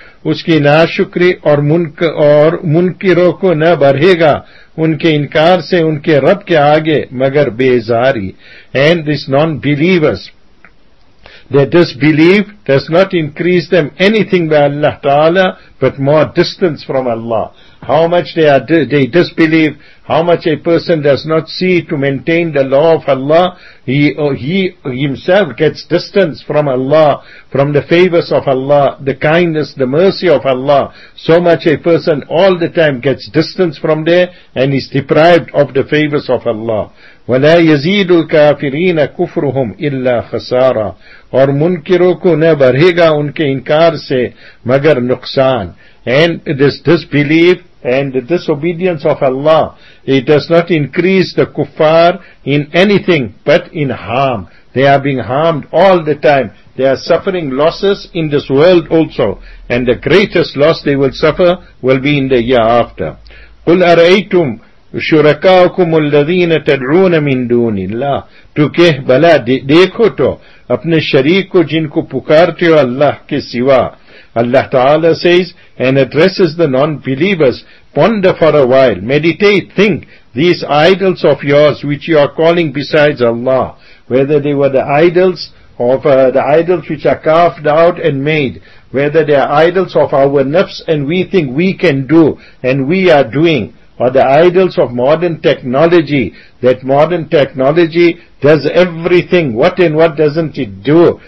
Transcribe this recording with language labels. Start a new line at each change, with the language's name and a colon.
Urdu: اس کی ناشکری اور منکروں کو نہ بڑھے گا ان کے انکار سے ان کے رب کے آگے مگر بیزاری.
English: And this non-believers, their disbelief does not increase them anything by Allah Ta'ala, but more distance from Allah. How much they disbelieve, how much a person does not see to maintain the law of Allah, he himself gets distance from Allah, from the favors of Allah, the kindness, the mercy of Allah. So much a person all the time gets distance from there and is deprived of the favors of Allah.
Arabic: وَلَا يَزِيدُ الْكَافِرِينَ كُفْرُهُمْ إِلَّا خَسَارًا.
Urdu: اور منکروں کو نہ بڑھے گا ان کے انکار سے مگر نقصان.
English: And this disbelief and the disobedience of Allah, it does not increase the kuffar in anything but in harm. They are being harmed all the time. They are suffering losses in this world also. And the greatest loss they will suffer will be in the year after.
Arabic: قُلْ أَرَأَيْتُمْ شُرَكَاؤُكُمُ الَّذِينَ تَدْعُونَ مِن دُونِ اللَّهِ
Urdu: تو کہ بلا دیکھو تو اپنے شریک کو جن کو پکارتے ہو اللہ کے سوا.
English: Allah Ta'ala says and addresses the non-believers, ponder for a while, meditate, think, these idols of yours which you are calling besides Allah, whether they were the idols of the idols which are carved out and made, whether they are idols of our nafs and we think we can do and we are doing, or the idols of modern technology, that modern technology does everything, what and what doesn't it do?